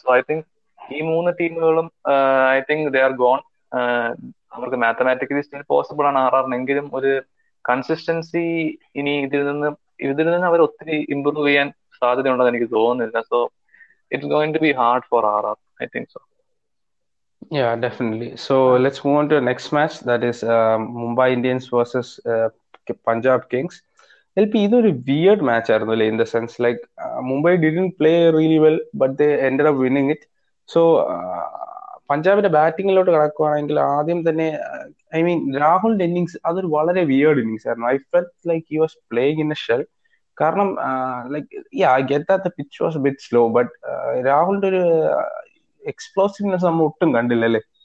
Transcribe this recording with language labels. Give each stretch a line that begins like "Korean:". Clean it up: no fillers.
English: so I think
Malayalam: ഈ മൂന്ന് ടീമുകളും
English: I think they are gone.
Malayalam: അവർക്ക് മാത്തമാറ്റിക്കലി സ്റ്റിൽ പോസിബിൾ ആണ് RR എങ്കിലും ഒരു കൺസിസ്റ്റൻസി ഇനി ഇതിൽ നിന്ന് അവർ ഒത്തിരി ഇമ്പ്രൂവ് ചെയ്യാൻ സാധ്യതയുണ്ടെന്ന് എനിക്ക് തോന്നുന്നില്ല.
English: So it's going to be hard for RR, I think so. Yeah, definitely. So let's move on to the next match. That is Mumbai Indians versus Punjab Kings. LP, this was a weird match in the sense like Mumbai didn't play really well, but they ended up winning it.
Malayalam: So പഞ്ചാബിന്റെ ബാറ്റിംഗിലോട്ട് കടക്കുകയാണെങ്കിൽ ആദ്യം തന്നെ
English: I mean
Malayalam: രാഹുലിന്റെ innings അതൊരു വളരെ weird innings ആയിരുന്നു.
English: I felt like he was playing in a shell.
Malayalam: കാരണം
English: like ഈ ആ get the pitch was bit slow,
Malayalam: but രാഹുലിന്റെ ഒരു എക്സ്പ്ലോസീവ്നെസ് നമ്മൾ ഒട്ടും കണ്ടില്ല അല്ലേ.